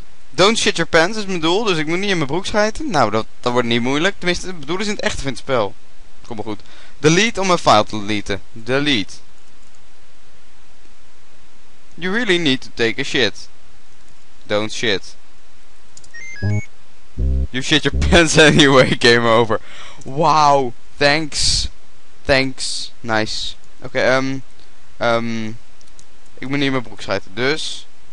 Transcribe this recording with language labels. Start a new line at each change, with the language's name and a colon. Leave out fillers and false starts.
English: Don't shit your pants
Dutch: is mijn doel, dus ik moet niet in mijn broek schijten. Nou, dat wordt niet moeilijk. Tenminste, het bedoel is in het echte van het spel. Kom maar goed. Delete om een file te deleten. Delete.
English: You really need to take a shit. Don't shit. You shit your pants anyway, game over. Wow, thanks, nice.
Dutch: Oké, ik moet niet in mijn broek schijten, dus.